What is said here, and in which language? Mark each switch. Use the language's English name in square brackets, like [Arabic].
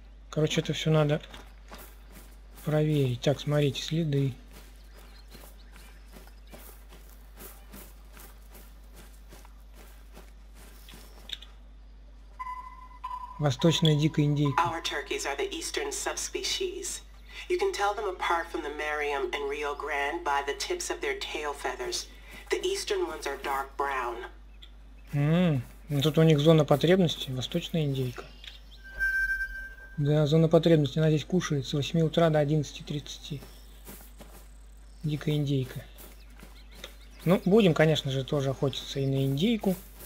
[Russian] Короче, это все надо проверить. Так, смотрите, следы. Восточная дикая индейка. [English] Our turkeys are the eastern subspecies. You can tell them apart from the Merriam and Rio Grande by the tips of their tail feathers. The eastern ones are dark brown. [Russian] Тут у них зона потребности, восточная индейка. Да, зона потребности, она здесь кушает с 8 утра до 11:30. Дикая индейка. Ну, будем, конечно же, тоже охотиться и на индейку.